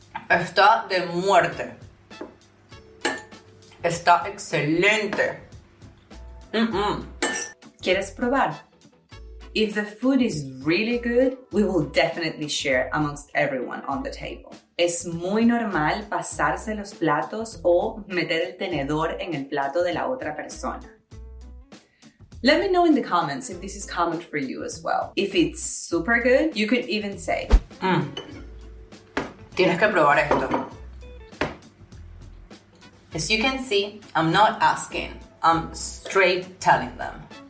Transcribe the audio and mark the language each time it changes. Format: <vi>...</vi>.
<es>Está de muerte. Está excelente. ¿Quieres probar?</es> <en>If the food is really good, we will definitely share amongst everyone on the table.</en> <es>Es muy normal pasarse los platos o meter el tenedor en el plato de la otra persona.</es> <en>Let me know in the comments if this is common for you as well. If it's super good, you could even say,</en> <es>Tienes que probar esto.</es> <en>As you can see, I'm not asking. I'm straight telling them.</en>